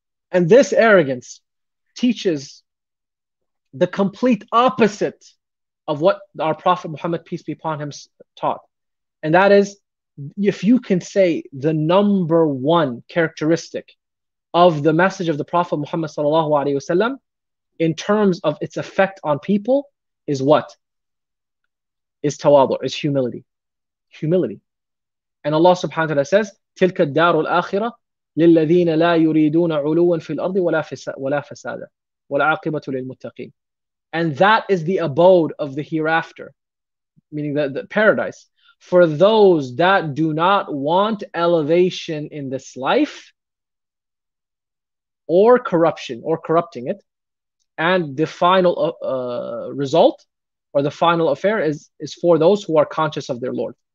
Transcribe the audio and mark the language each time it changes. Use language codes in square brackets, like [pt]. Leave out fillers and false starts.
[en] And this arrogance teaches the complete opposite of what our Prophet Muhammad, peace be upon him, taught. And that is, if you can say the number one characteristic of the message of the Prophet Muhammad sallallahu alaihi wasallam in terms of its effect on people is what? Is tawadu, is humility. Humility. And Allah subhanahu wa ta'ala says, [ar] تِلْكَ الدَّارُ الْآخِرَةِ لِلَّذِينَ لَا يُرِيدُونَ عُلُوًا فِي الْأَرْضِ وَلَا فَسَادًا وَالْعَاقِبَةُ لِلْمُتَّقِينَ. [en] And that is the abode of the hereafter, meaning the paradise, for those that do not want elevation in this life or corruption or corrupting it. And the final result or the final affair is for those who are conscious of their Lord.